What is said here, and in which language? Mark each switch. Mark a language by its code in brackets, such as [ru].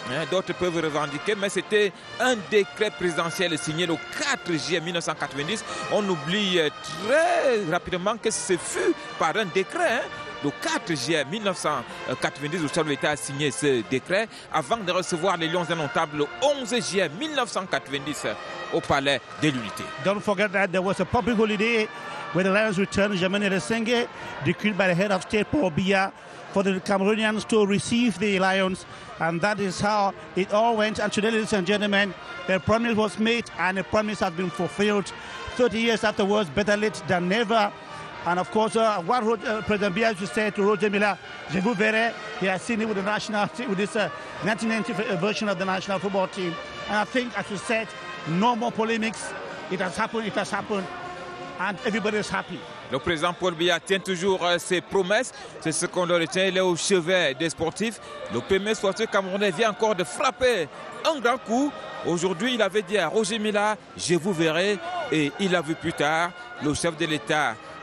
[fr] D'autres peuvent revendiquer, mais c'était un décret présidentiel signé le 4 juillet 1990. On oublie très rapidement que ce fut par un décret. Hein. Le 4 juillet 1990, le chef de l'État a signé ce décret avant de recevoir les Lions Indomptables le 11 juillet 1990 au Palais de l'Unité. [en] Don't forget that there was a public holiday when the Lions returned. Germaine Eresenge, decreed by the head of state Paul Biya, for the Cameroonians to receive the Lions. And that is how it all went. And today, ladies and gentlemen, a promise was made and a promise has been fulfilled. 30 years afterwards, better late than never. And of course, what President Biya just said to Roger Milla, [fr] je vous verrai. [en] He has seen it with the national team, with this 1990 version of the national football team. And I think, as you said, no more polemics. It has happened. And everybody is happy. [fr] Le président Paul Biya tient toujours ses promesses. C'est ce qu'on le retient. Il est au chevet des sportifs. Le premier sportif camerounais vient encore de frapper un grand coup. Aujourd'hui, il avait dit à Roger Milla, je vous verrai. Et il a vu plus tard le chef de l'État.